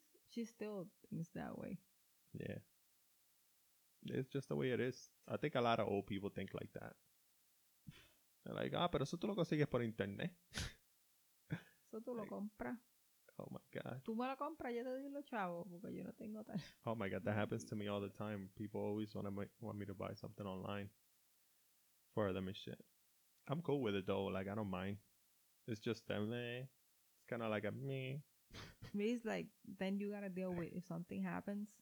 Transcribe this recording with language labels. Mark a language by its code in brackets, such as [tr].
[en] She still thinks that way. Yeah. It's just the way it is. I think a lot of old people think like that. They're like, [es] pero eso tú lo consigues por internet. Eso tú lo compras. [en] Oh my God. [es] Tú me la compras, yo te doy los chavos, porque yo no tengo tal. [en] Oh my God, that happens to me all the time. People always want me to buy something online for them and shit. I'm cool with it though, like I don't mind. It's just them, it's kind of like a me. Me, it's like, then you gotta deal with if something happens.